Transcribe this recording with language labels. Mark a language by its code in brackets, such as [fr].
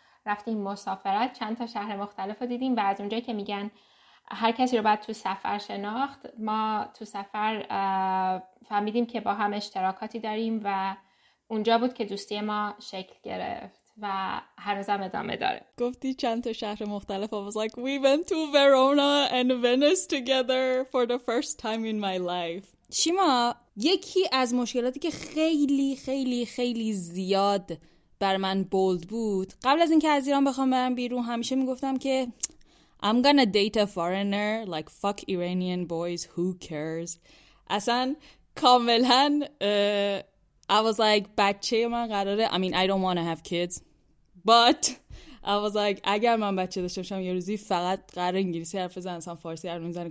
[fa] رفتیم مسافرت، چند تا شهر مختلف رو دیدیم و از اونجایی که میگن هر کسی رو باید تو سفر شناخت، ما تو سفر فهمیدیم که با هم اشتراکاتی داریم و اونجا بود که دوستی ما شکل گرفت و هنوزم ادامه داره. گفتی چند تا شهر مختلف. [en] I was like, we went to Verona and Venice together for the first time in my life. [fa] شیما، یکی از مشکلاتی که خیلی خیلی خیلی زیاد بر من بولد بود، قبل از اینکه از ایران بخوام برم بیرون همیشه میگفتم که [en] I'm gonna date a foreigner, like fuck Iranian boys, who cares. [fa] اصلا کاملا [en] I was like [fa] بچه من قراره، [en] I mean I don't wanna have kids, but I was like [fa] اگر من بچه داشته باشم یه روزی فقط قراره انگلیسی حرف بزنم، اصلا فارسی حرف نمیزنم.